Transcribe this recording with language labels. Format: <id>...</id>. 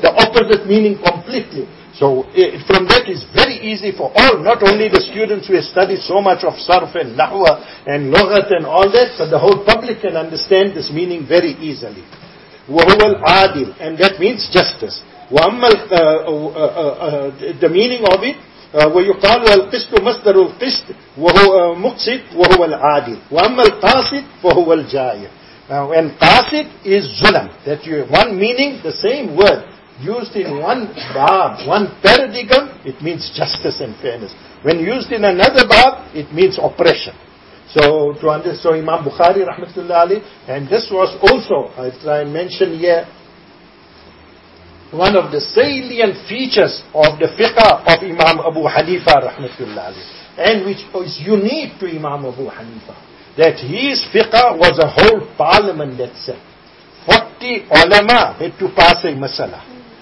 <en>The opposite meaning completely. So from that it's very easy for all, not only the students who have studied so much of sarf and nahwa and logat and all that, but the whole public can understand this meaning very easily.</en> <ar>وَهُوَ الْعَادِلِ</ar> <en>And that means justice.</en> <ar>وَأَمَّا</ar> <en>the meaning of it,</en> <ar>وَيُقَالُ الْقِسْطُ مَصْدَرُ الْقِسْطِ وَهُوَ مُقْسِطُ وَهُوَ الْعَادِلِ وَأَمَّا الْقَاسِطُ فَهُوَ الْجَائِرُ</ar> <en>And qasid is zulam. That you, one meaning, the same word, used in one bab, one paradigm, it means justice and fairness. When used in another bab, it means oppression. So to understand, so Imam Bukhari rahmatullahi alayhi, and this was also, I try and mention here, one of the salient features of the fiqh of Imam Abu Hanifa rahmatullahi alayhi, and which is unique to Imam Abu Hanifa, that his fiqh was a whole parliament that said, 40 ulama had to pass a masala.</en>